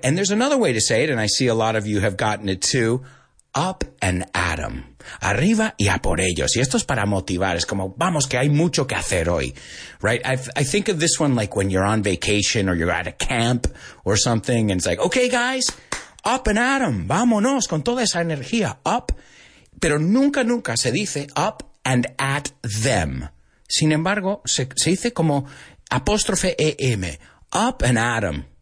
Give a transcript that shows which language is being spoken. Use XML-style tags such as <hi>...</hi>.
<en>And there's another way to say it. And I see a lot of you have gotten it too. Up and at them.</en> <es>Arriba y a por ellos. Y esto es para motivar. Es como, vamos, que hay mucho que hacer hoy.</es> <en>Right? I think of this one like when you're on vacation or you're at a camp or something. And it's like, okay, guys, up and at them.</en> <es>Vámonos con toda esa energía. Up. Pero nunca, nunca se dice</es> <en>up and at them.</en> <es>Sin embargo, se dice como apóstrofe EM.</es> <en>Up and at them.</en>